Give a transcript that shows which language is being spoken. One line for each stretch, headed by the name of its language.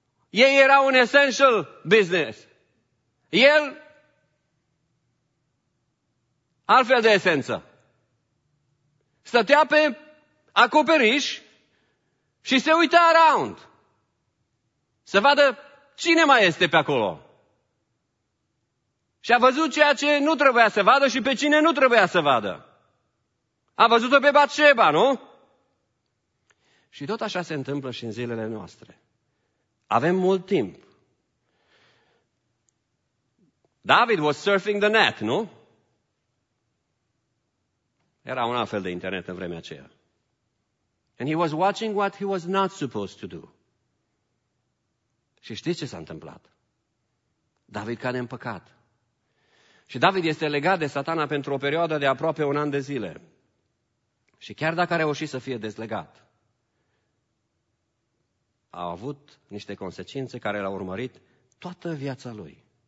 Romanian: Ei erau un
English: essential business.
Romanian: El, altfel de esență, stătea pe acoperiș și se uita
English: around
Romanian: să vadă cine mai este pe acolo. Și a văzut ceea ce nu trebuia să vadă și pe cine nu trebuia să vadă. A văzut-o pe Batșeba, nu? Și tot așa se întâmplă și în zilele noastre. Avem mult timp.
English: David was surfing the net,
Romanian: nu? Era un alt fel de internet în vremea aceea.
English: And he was watching what he was not supposed to do.
Romanian: Și știți ce s-a întâmplat? David cade în păcat. Și David este legat de Satana pentru o perioadă de aproape un an de zile. Și chiar dacă a reușit să fie dezlegat, a avut niște consecințe care l-au urmărit toată viața lui.